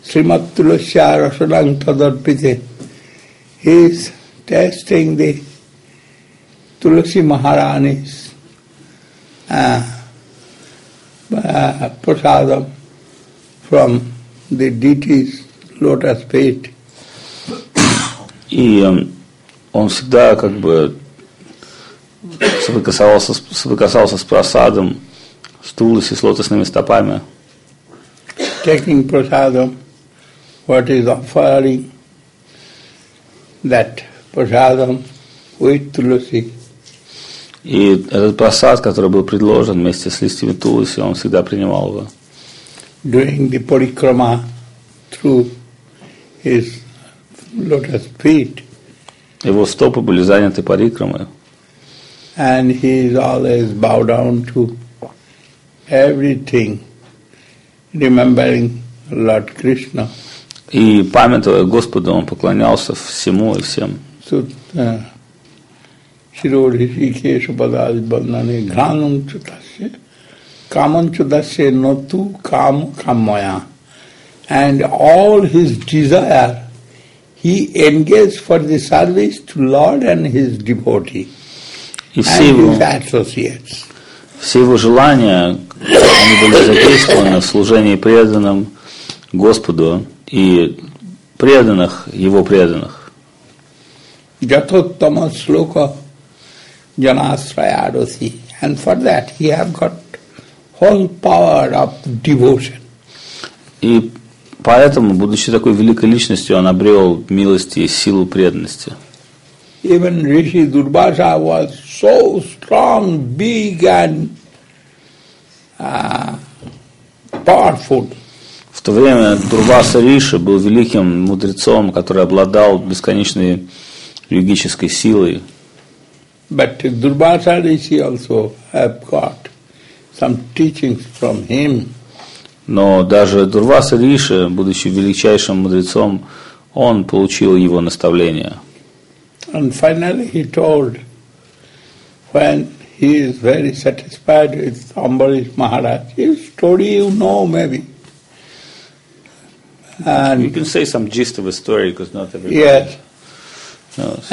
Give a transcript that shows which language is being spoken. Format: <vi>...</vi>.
<en>He's tasting the Tulasi Maharani's prasadam from the deity's lotus feet.</en> <ru>И он всегда как бы соприкасался с просадом, с тулоси, с лотосными стопами.</ru> <en>Taking prasadam, what is offering that prasadam with tulasi.</en> <ru>И этот просад, который был предложен вместе с листьями тулоси, он всегда принимал его.</ru> <en>Doing the parikrama through his lotus feet.</en> <ru>Его стопы были заняты парикрамой.</ru> <en>And he is always bow down to everything, remembering Lord Krishna.</en> <ru>И памятуя Господу, он поклонялся всему и всем.</ru> <sa>Shirodhi Shikesha Padaj Bandhani Ghanam Chutashe Kaman Chutashe Natu Kam Kamaya.</sa> <en>And all his desire, he engaged for the service to Lord and his devotee.</en> <ru>И все его желания, они были задействованы в служении преданным Господу и преданных Его преданных.</ru> <sa>Jatottama sloka janasrayarosi.</sa> <en>And for that he have got whole power of devotion.</en> <ru>И поэтому, будучи такой великой личностью, он обрел милость и силу преданности.</ru> <en>Even Rishi Durbhasa was so strong, big and powerful.</en> <ru>В то время Дурваса Риши был великим мудрецом, который обладал бесконечной йогической силой.</ru> <en>But Durvasa Rishi also have got some teachings from him.</en> <ru>Но даже Дурваса Риши, будучи величайшим мудрецом, он получил его наставления.</ru> <en>And finally he told, when he is very satisfied with Ambarish Maharaj, his story you know maybe. And you can say some gist of a story, because not everybody yes. knows.</en>